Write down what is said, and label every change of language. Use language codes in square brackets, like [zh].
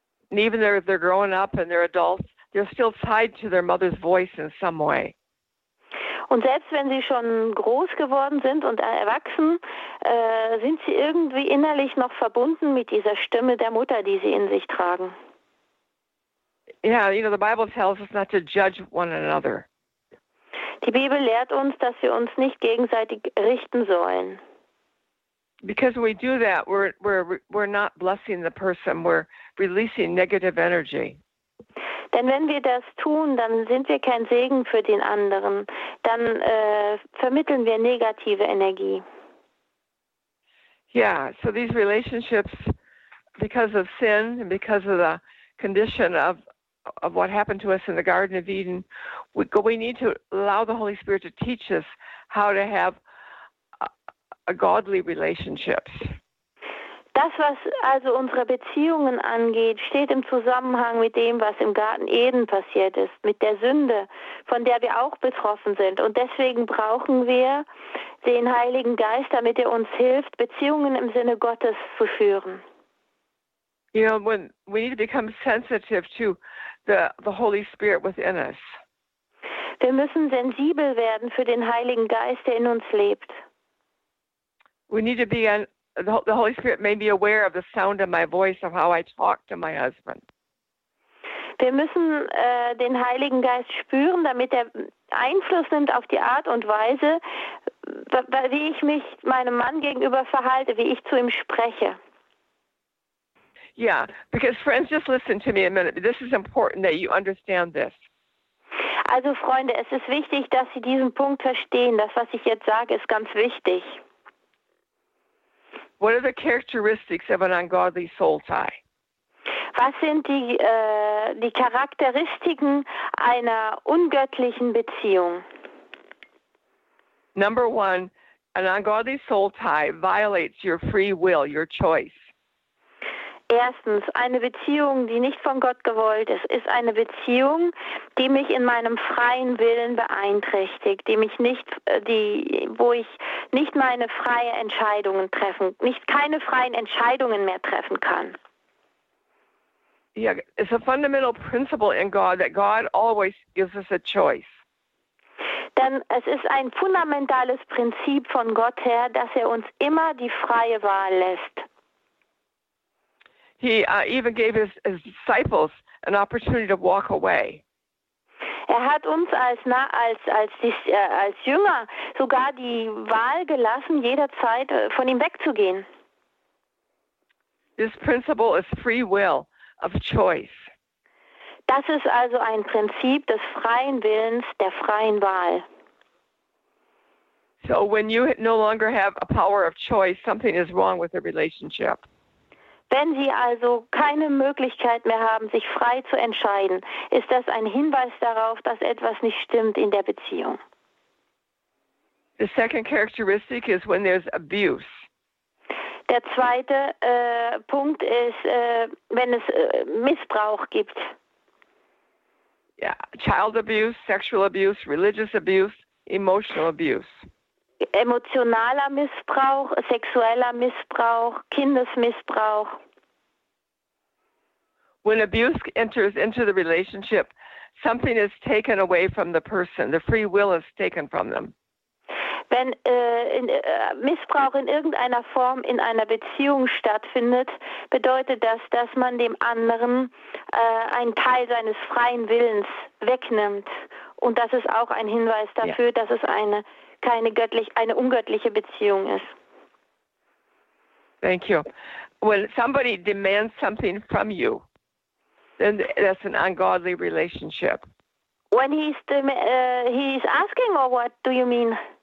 [en] And even though they're growing up and they're adults, they're still tied to their mother's voice in some way. [de] Und selbst wenn sie schon groß geworden sind und erwachsen, sind sie irgendwie innerlich noch verbunden mit dieser Stimme der Mutter, die sie in sich tragen. [en] Yeah, you know, the Bible tells us not to judge one another. [de] Die Bibel lehrt uns, dass wir uns nicht gegenseitig richten sollen. [en] Because we do that, we're not blessing the person, we're releasing negative energy. [de] Denn wenn wir das tun, dann sind wir kein Segen für den anderen, dann vermitteln wir negative Energie. [en] Yeah, so these relationships, because of sin and because of the condition of what happened to us in the Garden of Eden, we need to allow the Holy Spirit to teach us how to have a godly relationship. [de] Das, was also unsere Beziehungen angeht, steht im Zusammenhang mit dem, was im Garten Eden passiert ist, mit der Sünde, von der wir auch betroffen sind. Und deswegen brauchen wir den Heiligen Geist, damit er uns hilft, Beziehungen im Sinne Gottes zu führen. [en] You know, when we need to become sensitive to the Holy Spirit within us. [de] Wir müssen sensibel werden für den Heiligen Geist, der in uns lebt. [en] We need to be the Holy Spirit may be aware of the sound of my voice of how I talk to my husband. [de] Wir müssen den Heiligen Geist spüren, damit er Einfluss nimmt auf die Art und Weise, wie ich mich meinem Mann gegenüber verhalte, wie ich zu ihm spreche. [en] Yeah, because friends, just listen to me a minute. This is important that you understand this. [de] Also Freunde, es ist wichtig, dass Sie diesen Punkt verstehen. Das, was ich jetzt sage, ist ganz wichtig. [en] What are the characteristics of an ungodly soul tie? [de] Was sind die Charakteristiken einer ungöttlichen Beziehung? [en] Number one, an ungodly soul tie violates your free will, your choice. [de] Erstens, eine Beziehung, die nicht von Gott gewollt ist, ist eine Beziehung, die mich in meinem freien Willen beeinträchtigt, wo ich nicht meine freien Entscheidungen treffen, keine freien Entscheidungen mehr treffen kann. [en] Yeah, it's a fundamental principle in God that God always gives us a choice. [de] Denn es ist ein fundamentales Prinzip von Gott her, dass er uns immer die freie Wahl lässt. [en] He even gave his disciples an opportunity to walk away. [de] Er hat uns als Jünger sogar die Wahl gelassen, jederzeit von ihm wegzugehen. [en] This principle is free will of choice. [de] Das ist also ein Prinzip des freien Willens, der freien Wahl. [en] So when you no longer have a power of choice, something is wrong with the relationship. [de] Wenn Sie also keine Möglichkeit mehr haben, sich frei zu entscheiden, ist das ein Hinweis darauf, dass etwas nicht stimmt in der Beziehung. [en] The second characteristic is when there's abuse. [de] Der zweite Punkt ist, wenn es Missbrauch gibt. [en] Yeah, child abuse, sexual abuse, religious abuse, emotional abuse. [de] Emotionaler Missbrauch, sexueller Missbrauch, Kindesmissbrauch. [en] When abuse enters into the relationship, something is taken away from the person. The free will is taken from them. [de] Wenn Missbrauch in irgendeiner Form in einer Beziehung stattfindet, bedeutet das, dass man dem anderen einen Teil seines freien Willens wegnimmt. Und das ist auch ein Hinweis dafür, dass es eine ungöttliche Beziehung ist. [en] Thank you. When somebody demands something from you, then that's an ungodly relationship. When he's asking, or what do you mean?